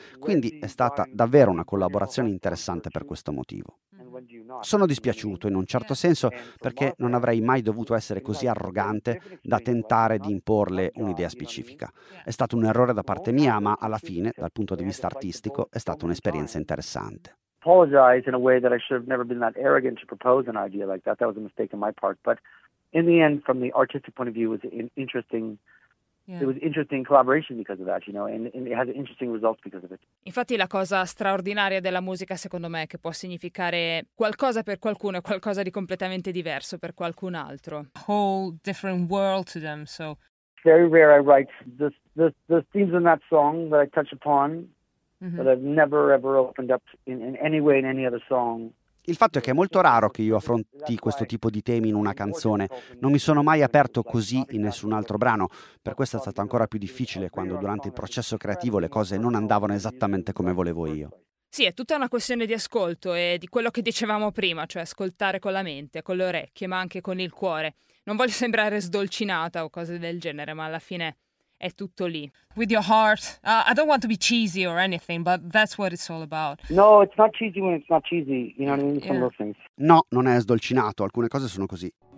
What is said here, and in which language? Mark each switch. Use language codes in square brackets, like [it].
[it] Quindi è stata davvero una collaborazione interessante per questo motivo. Sono dispiaciuto in un certo senso perché non avrei mai dovuto essere così arrogante da tentare di imporle un'idea specifica. È stato un errore da parte mia, ma alla fine, dal punto di vista artistico, è stata un'esperienza interessante. [en] Apologize in a way that I should have never been that arrogant to propose an idea like that. That was a mistake on my part, but in the end from the artistic point of view was interesting. It was interesting collaboration because of that, you know, and it has interesting results because of it. [it] Infatti la cosa straordinaria della musica, secondo me, è che può significare qualcosa per qualcuno e qualcosa di completamente diverso per qualcun altro. [en] A whole different world to them, so. Very rare I write the themes in that song that I touch upon, that I've never ever opened up in any way in any other song. [it] Il fatto è che è molto raro che io affronti questo tipo di temi in una canzone. Non mi sono mai aperto così in nessun altro brano. Per questo è stato ancora più difficile quando durante il processo creativo le cose non andavano esattamente come volevo io. Sì, è tutta una questione di ascolto e di quello che dicevamo prima, cioè ascoltare con la mente, con le orecchie, ma anche con il cuore. Non voglio sembrare sdolcinata o cose del genere, ma alla fine è tutto lì. [en] With your heart. I don't want to be cheesy or anything, but that's what it's all about. No, it's not cheesy when it's not cheesy, you know what I mean? Some little things. [it] No, non è sdolcinato, alcune cose sono così.